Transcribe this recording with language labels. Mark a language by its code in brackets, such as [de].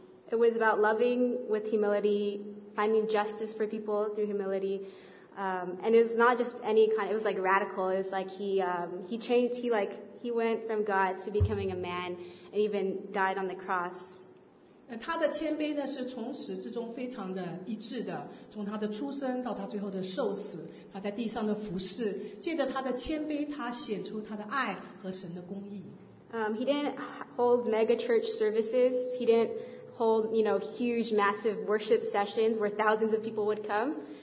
[en] It was about loving with humility, finding justice for people through humility. And it was not just any kind, it was like radical. It was like he changed, he went from God to becoming a man and even died on the cross. [zh] 他的谦卑呢是从始至终非常的一致的，从他的出生到他最后的受死，他在地上的服事，借着他的谦卑，他显出他的爱和神的公义。 [en] He didn't hold mega church services. He didn't hold, you know, huge, massive worship sessions where thousands of people would come.